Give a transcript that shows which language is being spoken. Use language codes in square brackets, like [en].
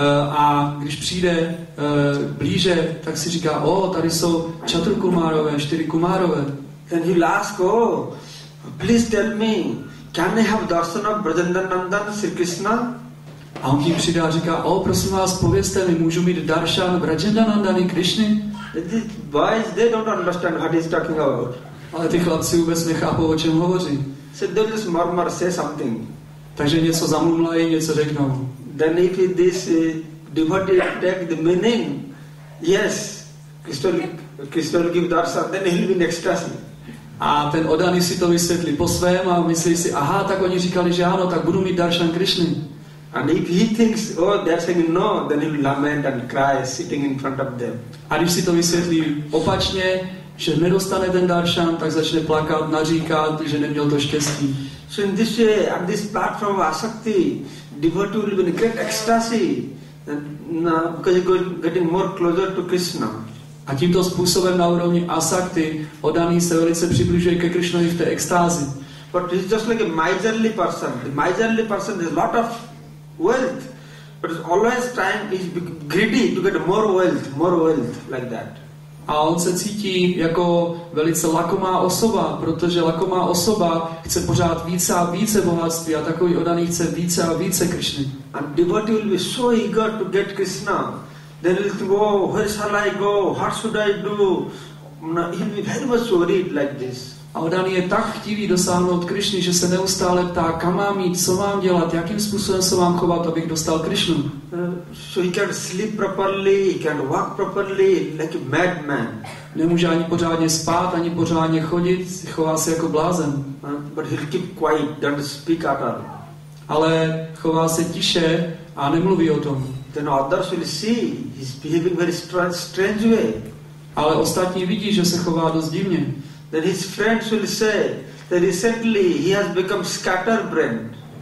[cs] A když přijde blíže, tak si říká, o, oh, tady jsou Chaturkumárové, čtyři kumárové. [en] Then he'll ask, oh, please tell me, can I have darshan of Brajendranandan Sri Krishna? [cs] A on tím přijde a říká, o, oh, prosím vás, povězte mi, můžu mít darshan Brajendranandany Krishny? [en] The boys, they don't understand what he's talking about. [cs] Ale ty chlapci vůbec nechápou, o čem hovoří. [en] So they'll just murmur, say something. [cs] Takže něco zamumlají, něco řeknou. [en] Then if this devotee take the meaning, yes, Krishna will give darshan, then he'll be in ecstasy. [cs] A ten oddaný si to vysvětlí po svém a myslí si, aha, tak oni říkali, že ano, tak budu mít darshan Krishny. [en] And if he thinks, oh, they're saying no, then he'll lament and cry sitting in front of them. [cs] A když si to vysvětlí opačně, že nedostane ten darshan, tak začne plakat, naříkat, že neměl to štěstí. [en] So in this way, at this platform of asakti, devotee will be in great ecstasy, because he's getting more closer to Krishna. [cs] A tímto způsobem na úrovni asakti, oddaný se velice přibližuje ke Krishnovi v té extázi. [en] But he's just like a miserly person. The miserly person has a lot of wealth, but he's always trying, he's greedy to get more wealth, like that. [cs] A on se cítí jako velice lakomá osoba, protože lakomá osoba chce pořád více a více bohatství a takový oddaný chce více a více Krishny. [en] A devotee will be so eager to get Krishna. Then he'll think, oh, where shall I go? What should I do? He'll be very much worried like this. [cs] A Odaný je tak chtivý dosáhnout Krišny, že se neustále ptá, kam mám jít, co mám dělat, jakým způsobem se mám chovat, abych dostal Krišnu. [en] So he can sleep properly, he can walk properly, like a madman. [cs] Nemůže ani pořádně spát, ani pořádně chodit, chová se jako blázen. [en] But he'll keep quiet, don't speak at all. [cs] Ale chová se tiše a nemluví o tom. [en] Then others will see, he's behaving very strange way. [cs] Ale ostatní vidí, že se chová dost divně. [en] Then his friends will say that recently he has become scatterbrained.